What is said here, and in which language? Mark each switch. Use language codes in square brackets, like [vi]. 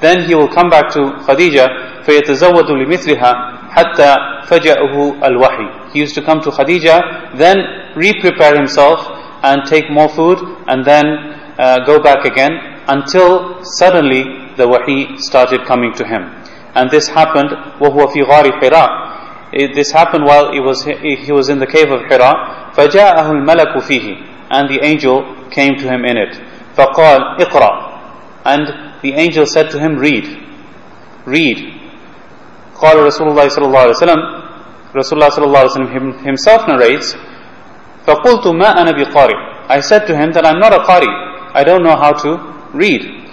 [en] Then he will come back to Khadija. [ar] فَيَتَزَوَّدُ لِمِثْلِهَا حَتَّى فَجَأُهُ الْوَحِي. [en] He used to come to Khadija, then re-prepare himself and take more food, and then go back again until suddenly the wahi started coming to him. And this happened [ar] وَهُوَ فِي غَارِ حِرَى. [en] This happened while he was in the cave of Hira. [ar] فَجَاءَهُ الْمَلَكُ فِيهِ. [en] And the angel came to him in it. [ar] فَقَالْ اِقْرَى. [en] And the angel said to him, read. [ar] قال رسول الله صلى الله عليه وسلم. رسول الله صلى الله عليه وسلم [en] himself narrates. [ar] فقلت ما أنا بقاري. [en] I said to him that I'm not a qari, I don't know how to read.